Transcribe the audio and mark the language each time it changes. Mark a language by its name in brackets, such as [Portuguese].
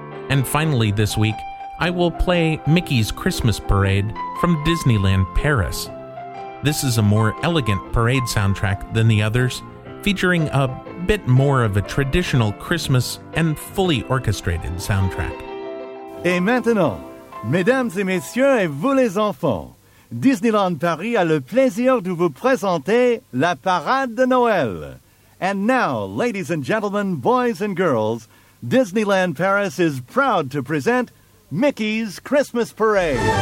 [English] And finally this week, I will play Mickey's Christmas Parade from Disneyland Paris. This is a more elegant parade soundtrack than the others, featuring a bit more of a traditional Christmas and fully orchestrated soundtrack. [French] Et maintenant, mesdames et messieurs et vous les enfants, Disneyland Paris a le plaisir de vous présenter la Parade de Noël. [English] And now, ladies and gentlemen, boys and girls, Disneyland Paris is proud to present Mickey's Christmas Parade.